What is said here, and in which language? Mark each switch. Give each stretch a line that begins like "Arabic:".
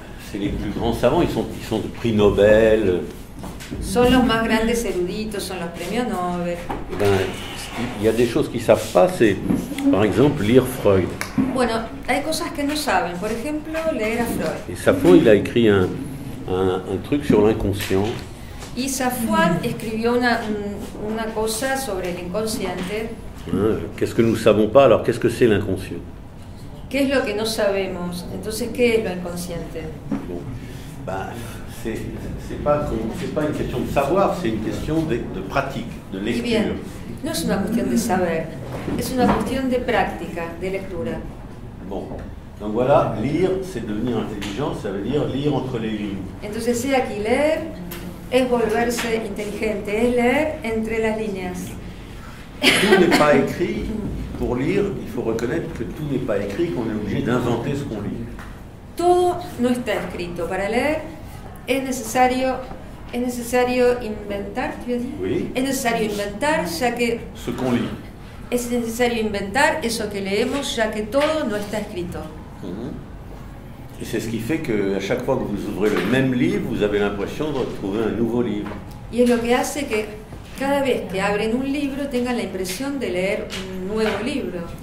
French: C'est les plus grands savants, ils sont de prix Nobel.
Spanish: Son los más grandes eruditos, son los premios Nobel.
French: Ben, il y a des choses qu'ils savent pas, c'est par exemple lire Freud.
Spanish: Bueno, hay cosas que no saben, por ejemplo, leer a Freud.
French: Et Sapho, il a écrit un truc sur l'inconscient.
Spanish: Y Safouane escribió una cosa sobre el inconsciente.
French: Hein, qu'est-ce que nous savons pas, alors qu'est-ce que c'est l'inconscient?
Spanish: ¿Qué es lo que no sabemos? Entonces, ¿qué es lo inconsciente? Bueno, no es una cuestión de saber, es una cuestión de práctica, de lectura. No es una cuestión de saber, es una cuestión de práctica, de lectura. Bueno, entonces,
French: voilà, leer, c'est devenir intelligent, ça veut dire lire entre les lignes.
Spanish: Entonces, sea aquí leer, es volverse inteligente, es leer entre las líneas.
French: Tout n'est pas écrit. Pour lire, il faut reconnaître que tout n'est pas écrit, qu'on est obligé d'inventer ce qu'on lit.
Spanish: Todo no está escrito. Para leer, es necesario inventar,
French: tu veux dire? Oui.
Spanish: Es necesario inventar, ya que...
French: Ce qu'on lit.
Spanish: Es necesario inventar eso que leemos, ya que todo no está escrito. Mm-hmm.
French: Et c'est ce qui fait qu'à chaque fois que vous ouvrez le même livre, vous avez l'impression de retrouver un nouveau livre.
Spanish: Y es lo que hace que... Cada vez que abren un libro, tengan la impresión de leer un nuevo libro.